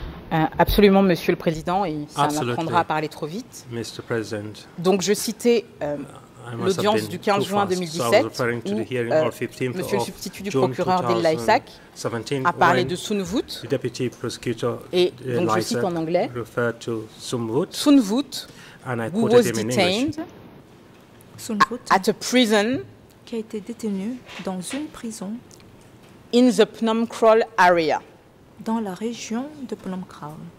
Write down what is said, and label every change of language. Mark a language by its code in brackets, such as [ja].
[fr] Absolument, Monsieur le Président, et ça m'apprendra à parler trop vite. Donc, je citais l'audience du 15 juin 2017 où Monsieur le substitut du procureur d'El-Laïsak a parlé de Sunvut. Et donc, je cite en anglais, [en] Sunvut, who was detained at a prison, [fr] qui a été détenu dans une prison, [en] in the Phnom Kraal area. [fr] Dans la région de Phnom Kraal.